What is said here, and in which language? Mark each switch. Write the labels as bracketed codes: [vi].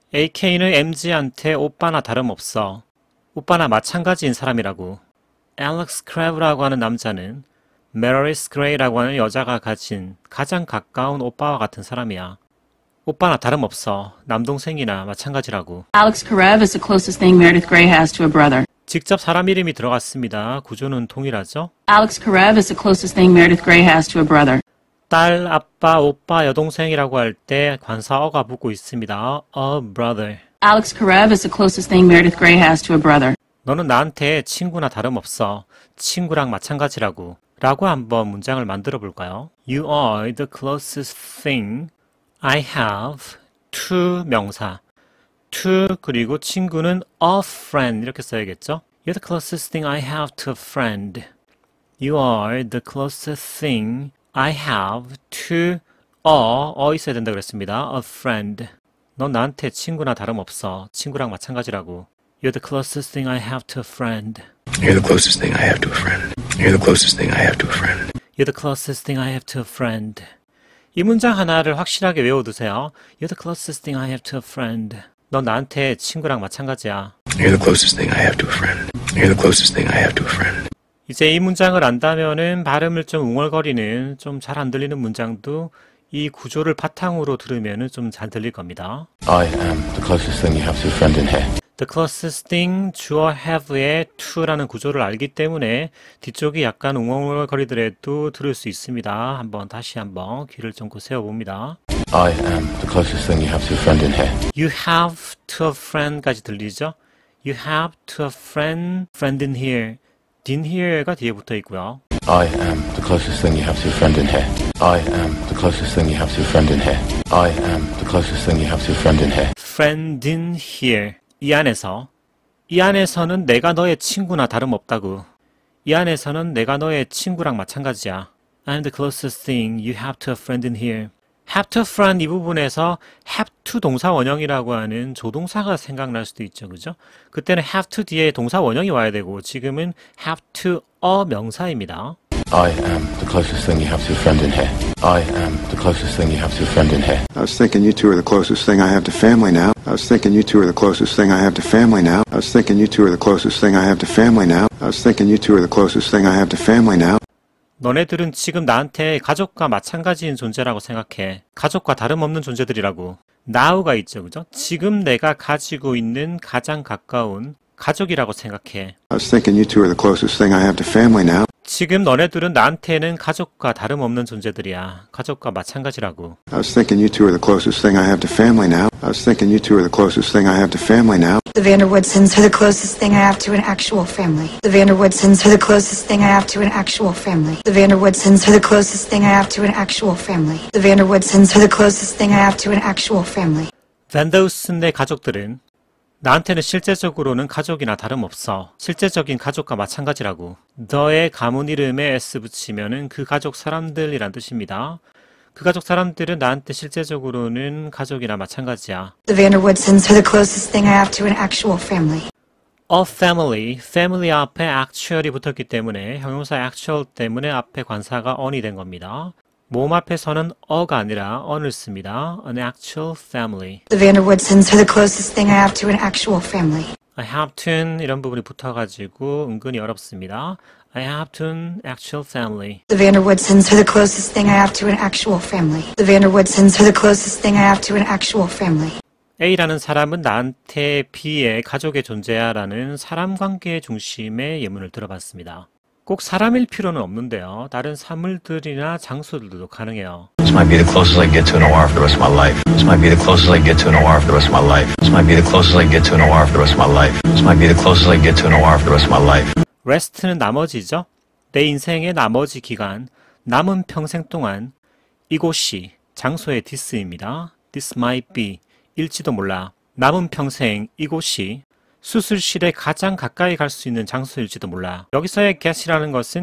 [ko] AK는 MG한테 오빠나 다름없어. 오빠나 마찬가지인 사람이라고. Alex Karev라고 하는 남자는 Meredith Grey라고 하는 여자가 가진 가장 가까운 오빠와 같은 사람이야. 오빠나 다름없어. 남동생이나 마찬가지라고. [en] Alex Karev is the closest thing Meredith Grey has to a brother. [ko] 직접 사람 이름이 들어갔습니다. 구조는 동일하죠? [en] Alex Karev is the closest thing Meredith Grey has to a brother. [ko] 딸, 아빠, 오빠, 여동생이라고 할 때 관사 어가 붙고 있습니다. [en] A brother. Alex Karev is the closest thing Meredith Grey has to a brother. [ko] 너는 나한테 친구나 다름없어. 친구랑 마찬가지라고. 라고 한번 문장을 만들어 볼까요? [en] You are the closest thing I have to [ko] 명사. To 그리고 친구는 [en] a friend [ko] 이렇게 써야겠죠? [en] You're the closest thing I have to a friend. You are the closest thing I have to a [ko] 있어야 된다 그랬습니다. [en] A friend. [ko] 넌 나한테 친구나 다름없어. 친구랑 마찬가지라고. [en] You're the closest thing I have to a friend. You're the closest thing I have to a friend. You're the closest thing I have to a friend. You're the closest thing I have to a friend. [ko] 이 문장 하나를 확실하게 외워두세요. [en] You're the closest thing I have to a friend. [ko] 넌 나한테 친구랑 마찬가지야. [en] You're the closest thing I have to a friend. You're the closest thing I have to a friend. [ko] 이제 이 문장을 안다면은 발음을 좀 웅얼거리는, 좀잘안 들리는 문장도 이 구조를 바탕으로 들으면은 좀잘 들릴 겁니다. [en] I am the closest thing you have to a friend in here. The closest thing, [ko] 주어 have의 to라는 구조를 알기 때문에 뒤쪽이 약간 웅얼거리더라도 들을 수 있습니다. 한번 다시 한번 귀를 좀고 세워봅니다. [en] I am the closest thing you have to a friend in here. You have to a friend까지 들리죠? You have to a friend in here. [ko] In here가 뒤에 붙어 있고요. [en] I am the closest thing you have to a friend in here. I am the closest thing you have to a friend in here. I am the closest thing you have to a friend in here. Friend in here. [ko] 이 안에서, 이 안에서는 내가 너의 친구나 다름없다고. 이 안에서는 내가 너의 친구랑 마찬가지야. [en] I'm the closest thing you have to a friend in here. Have to a friend [ko] 이 부분에서 have to 동사 원형이라고 하는 조동사가 생각날 수도 있죠, 그죠? 그때는 have to 뒤에 동사 원형이 와야 되고, 지금은 have to a 명사입니다. [en] I am the closest thing you have to a friend in here. I am the closest thing you have to a friend in here. I was thinking you two are the closest thing I have to family now. I was thinking you two are the closest thing I have to family now. I was thinking you two are the closest thing I have to family now. I was thinking you two are the closest thing I have to family now. [ko] 너네들은 지금 나한테 가족과 마찬가지인 존재라고 생각해. 가족과 다름없는 존재들이라고. Now가 있죠, 그죠? 지금 내가 가지고 있는 가장 가까운 가족이라고 생각해. [en] I was thinking you two are the closest thing I have to family now. [ko] 지금 너네들은 나한테는 가족과 다름없는 존재들이야. 가족과 마찬가지라고. [en] I was thinking you two are the closest thing I have to family now. I was thinking you two are the closest thing I have to family now. The Vanderwoodsons are the closest thing I have to an actual family. The Vanderwoodsons are the closest thing I have to an actual family. The Vanderwoodsons are the closest thing I have to an actual family. The Vanderwoodsons are the closest thing I have to an actual family. [ko] Vanderwoodsons의 가족들은 나한테는 실제적으로는 가족이나 다름없어. 실제적인 가족과 마찬가지라고. 너의 가문 이름에 S 붙이면은 그 가족 사람들이란 뜻입니다. 그 가족 사람들은 나한테 실제적으로는 가족이나 마찬가지야. [en] The Vanderwoodsons are the closest thing I have to an actual family. A family. [ko] Family 앞에 actual이 붙었기 때문에 형용사 actual 때문에 앞에 관사가 on이 된 겁니다. 몸 앞에서는 어가 아니라 언을 씁니다. [en] An actual family. The Vanderwoodsons are the closest thing I have to an actual family. I have to [ko] 이런 부분이 붙어가지고 은근히 어렵습니다. [en] I have to an actual family. The Vanderwoodsons are the closest thing I have to an actual family. The Vanderwoodsons are the closest thing I have to an actual family. [ko] A라는 사람은 나한테 B의 가족의 존재야라는 사람 관계 중심의 예문을 들어봤습니다. 꼭 사람일 필요는 없는데요. 다른 사물들이나 장소들도 가능해요. This might be the closest I get to an OR for the rest of my life. This might be the closest I get to an OR for the rest of my life. This might be the closest I get to an OR for the rest of my life. This might be the closest I get to an OR for the rest of my life. Rest는 나머지죠. 내 인생의 나머지 기간, 남은 평생 동안 이곳이 장소의 this입니다. [en] This might be [ko] 일지도 몰라. 남은 평생 이곳이 수술실에 가장 가까이 갈수 있는 장소일지도 몰라. 여기서의 get이라는 것은